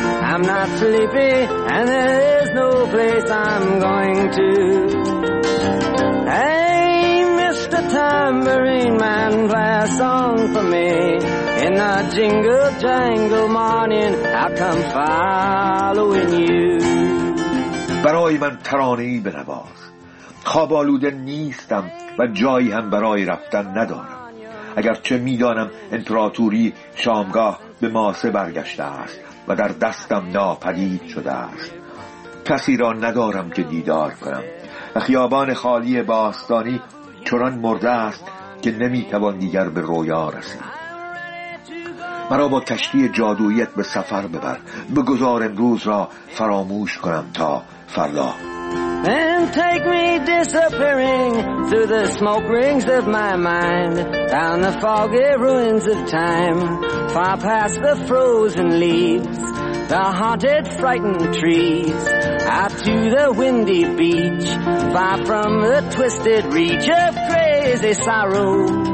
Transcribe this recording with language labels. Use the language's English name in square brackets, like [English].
[English] I'm not sleepy, and there is no place I'm going to. Hey, Mr. Tambourine Man, play a song for me. In a jingle jangle morning, I come following you. [Persian] برای من ترانه‌ای بنواز. خواب‌آلوده نیستم و جایی هم برای رفتن ندارم. اگرچه می‌دانم امپراتوری شامگاه به ماسه برگشته است و در دستم ناپدید شده است. کسی را ندارم که دیدار کنم. خیابان خالی باستانی چنان مرده است که نمی‌توان دیگر به رویا رسید. مرا با کشتی جادویت به سفر ببر. بگذار امروز را فراموش کنم تا فردا. [English] And take me disappearing through the smoke rings of my mind, down the foggy ruins of time, far past the frozen leaves, the haunted frightened trees, out to the windy beach, far from the twisted reach of crazy sorrow.